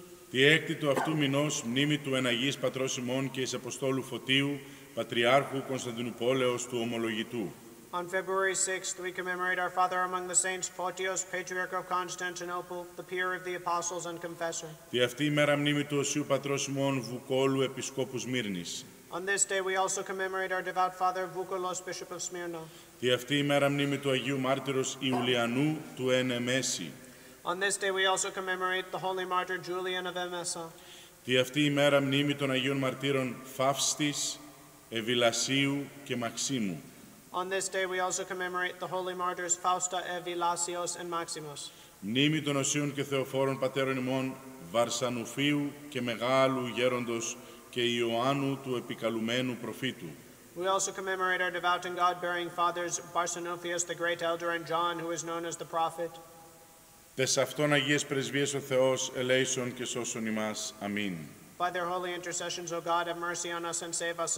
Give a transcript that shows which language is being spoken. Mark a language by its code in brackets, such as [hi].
[el] Τι έκτη του αυτού μηνός, μνήμη του εν Αγίης Πατρός ημών και εις Αποστόλου Φωτίου, Πατριάρχου Κωνσταντινουπόλεως του Ομολογητού. [en] On February 6th, we commemorate our father among the saints, Photios, Patriarch of Constantinople, the peer of the apostles and confessor. [el] Τι αυτή ημέρα μνήμη του Οσίου Πατρός ημών Βουκόλου, Επισκόπου Σμύρνης. [en] On this day we also commemorate our devout father Vukolos, Bishop of Smyrna. [el] Τι αυτή ημέρα μνήμη του Αγίου Μάρτυρος Ιουλιανού του Ενεμέση. [en] On this day we also commemorate the holy martyr Julian of Emesa. [el] Τι αυτή ημέρα μνήμη των Αγίων Μαρτύρων Φαύστης, Ευηλασίου και Μαξίμου. [en] On this day we also commemorate the holy martyrs Fausta, Ευηλασίος and Maximus. [el] Μνήμη των Οσίων και Θεοφόρων Πατέρων ημών Βαρσανουφίου και Μεγάλου Γέροντος και Ιωάννου του επικαλουμένου προφήτου. [en] We also commemorate our devout and God-bearing fathers Barsanophius the great elder and John who is known as the prophet. [el] Τες αυτών Αγίες Πρεσβείες ο Θεός ελέησον και σώσον ημάς. Αμήν. [en] By their holy intercessions, O God, have mercy on us and save us.